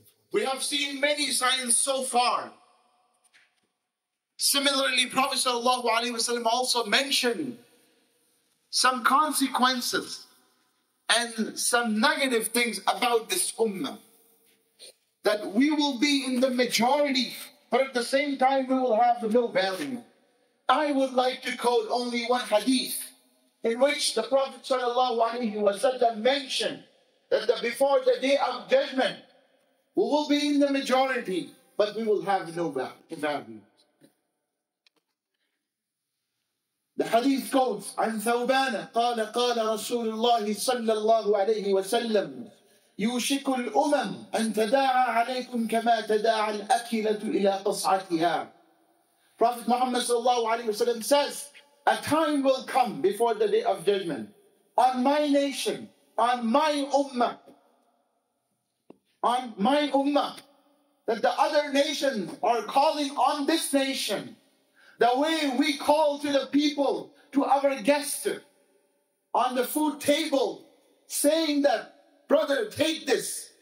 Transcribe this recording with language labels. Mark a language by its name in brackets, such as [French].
[English] We have seen many signs so far. Similarly, Prophet sallallahu alayhi wa sallam also mentioned some consequences and some negative things about this Ummah, that we will be in the majority, but at the same time we will have no value. I would like to quote only one hadith in which the Prophet sallallahu alayhi wa sallam mentioned that before the Day of Judgment, we will be in the majority, but we will have no value. The hadith goes, [Arabic] عن ثوبان قال قال رسول الله صلى الله عليه وسلم يوشك الأمم أن تداعى عليكم كما تداعى الأكلة إلى قصعتها. [English] Prophet Muhammad صلى الله عليه وسلم says, a time will come before the Day of Judgment on my nation, on my Ummah, on my Ummah, that the other nations are calling on this nation the way we call to the people, to our guests on the food table, saying that, brother, take this.